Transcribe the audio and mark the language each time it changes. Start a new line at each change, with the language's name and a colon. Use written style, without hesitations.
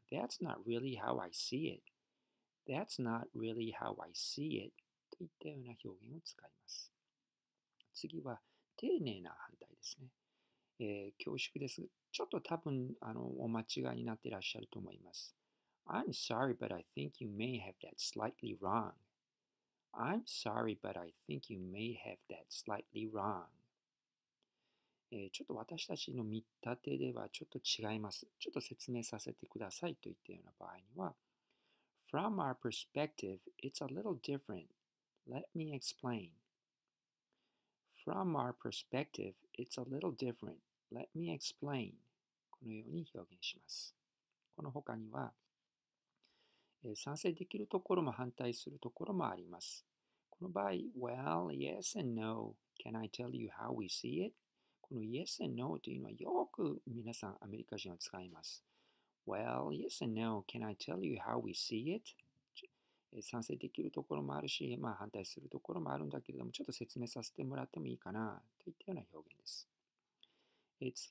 English: That's not really how I see it. That's not really how I see it.
Japanese: といったような表現を使います。次は、丁寧な反対ですね。恐縮です。ちょっと多分お間違いになっていらっしゃると思います。
English: I'm sorry, but I think you may have that slightly wrong. I'm sorry, but I think you may have that slightly wrong.
Japanese: ちょっと私たちの見立てではちょっと違います。ちょっと説明させてくださいといったような場合には、
English: From our perspective, it's a little different. Let me explain. From our perspective, it's a little different. Let me explain.
Japanese: このように表現します。この他には、賛成できるところも反対するところもあります。この場合、
English: Well, yes and no. Can I tell you how we see it?
Japanese: この Yes and no というのはよく皆さんアメリカ人は使います。
English: Well, yes and no. Can I tell you how we see it?
Japanese: 賛成できるところもあるし、まあ、反対するところもあるんだけれども、ちょっと説明させてもらってもいいかなといったような表現です。